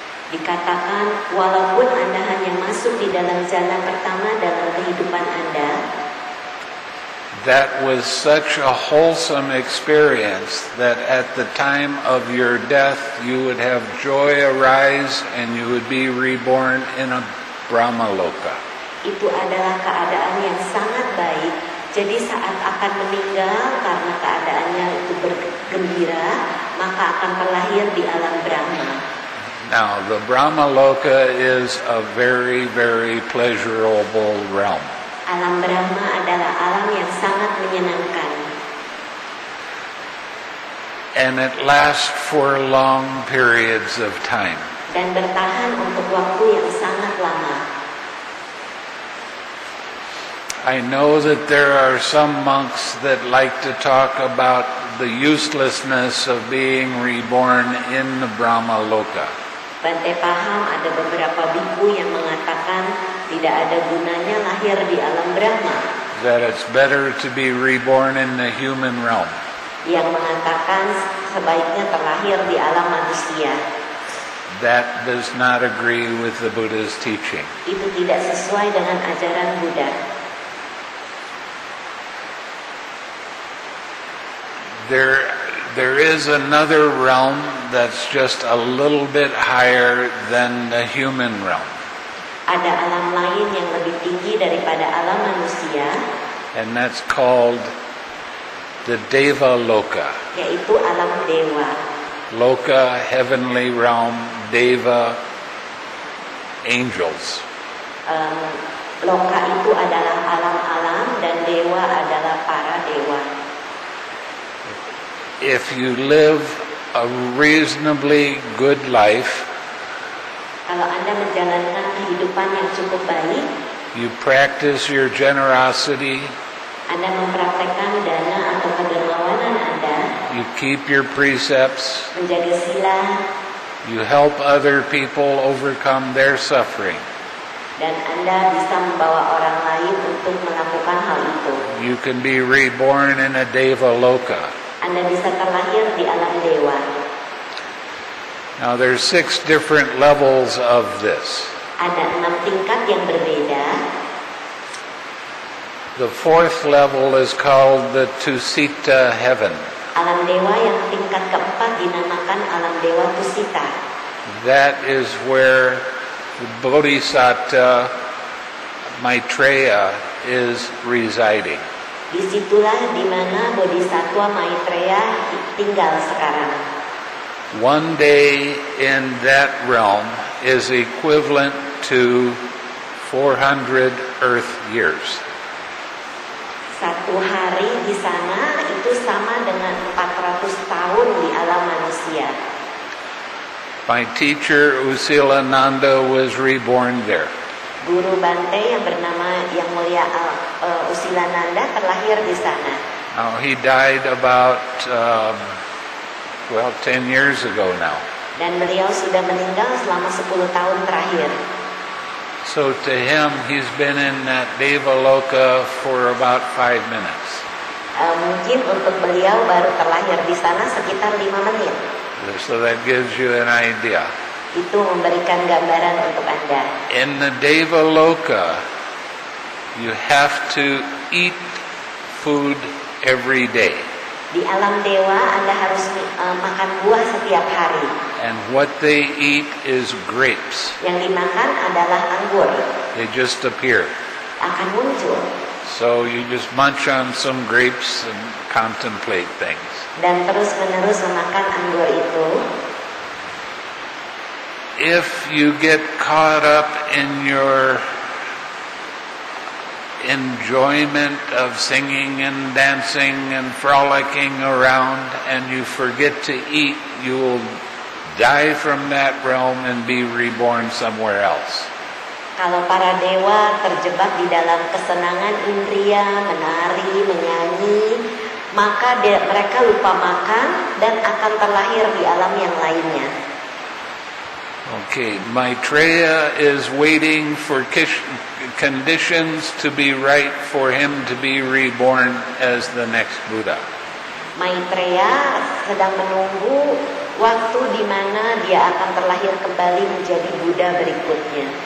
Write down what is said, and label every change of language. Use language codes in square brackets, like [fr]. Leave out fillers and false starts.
[id] Dikatakan walaupun Anda hanya masuk di dalam jhana pertama dalam kehidupan Anda. [en] That was such a wholesome experience that at the time of your death you would have joy arise and you would be reborn in a Brahmaloka. [id] Itu adalah keadaan yang sangat baik. Jadi saat akan meninggal karena keadaannya itu bergembira, maka akan terlahir di alam Brahma. [en] Now the Brahmaloka is a very, very pleasurable realm. [id] Alam Brahma adalah alam yang sangat menyenangkan. [en] And it lasts for long periods of time. [id] Dan bertahan untuk waktu yang sangat lama. [en] I know that there are some monks that like to talk about the uselessness of being reborn in the Brahmaloka. [id] Bante paham ada beberapa bhikkhu yang mengatakan tidak ada gunanya lahir di alam Brahma. [en] That it's better to be reborn in the human realm. [id] Yang mengatakan sebaiknya terlahir di alam manusia. [en] That does not agree with the Buddha's teaching. [id] Itu tidak sesuai dengan ajaran Buddha. [en] There is another realm that's just a little bit higher than the human realm. [id] Ada alam lain yang lebih tinggi daripada alam manusia. [en] And that's called the Deva Loka. [id] Yaitu alam dewa. [en] Loka, heavenly realm, Deva, angels. [id] Loka itu adalah alam-alam dan dewa adalah para dewa. [en] If you live a reasonably good life, [id] kalau Anda menjalankan kehidupan yang cukup baik, [en] you practice your generosity, [id] Anda mempraktekkan dana atau kedermawanan Anda, [en] you keep your precepts, [id] menjaga sila, [en] you help other people overcome their suffering, [id] dan Anda bisa membawa orang lain untuk melakukan hal itu, [en] you can be reborn in a Devaloka. [id] Anda bisa terlahir di alam dewa. [en] Now there are 6 different levels of this. [id] Ada 6 tingkat yang berbeda. [en] The fourth level is called the Tusita heaven. [id] Alam dewa yang tingkat keempat dinamakan alam dewa Tusita. [en] That is where the Bodhisatta Maitreya is residing. [id] Disitulah di mana Bodhisattva Maitreya tinggal sekarang. [en] One day in that realm is equivalent to 400 earth years. [id] Satu hari di sana itu sama dengan 400 tahun di alam manusia. [en] My teacher Usila Nanda was reborn there. [id] Guru Bante yang bernama Yang Mulia Usila Nanda terlahir di sana. [en] Now, he died about, 10 years ago now. [id] Dan beliau sudah meninggal selama 10 tahun terakhir. [en] So to him, he's been in that Devaloka for about 5 minutes. [id] Mungkin untuk beliau baru terlahir di sana sekitar 5 menit. [en] So that gives you an idea. [id] Itu memberikan gambaran untuk Anda. [en] In the Devaloka, you have to eat food every day. [id] Di alam dewa, Anda harus makan buah setiap hari. [en] And what they eat is grapes. [id] Yang dimakan adalah anggur. [en] They just appear. [id] Akan muncul. [en] So you just munch on some grapes and contemplate things. [id] Dan terus menerus memakan anggur itu. [en] If you get caught up in your enjoyment of singing and dancing and frolicking around and you forget to eat, you will die from that realm and be reborn somewhere else. [id] Kalau para dewa terjebak di dalam kesenangan indria, menari, menyanyi, maka mereka lupa makan dan akan terlahir di alam yang lainnya. [en] Okay, Maitreya is waiting for conditions to be right for him to be reborn as the next Buddha. [id] Maitreya sedang menunggu waktu di mana dia akan terlahir kembali menjadi Buddha berikutnya.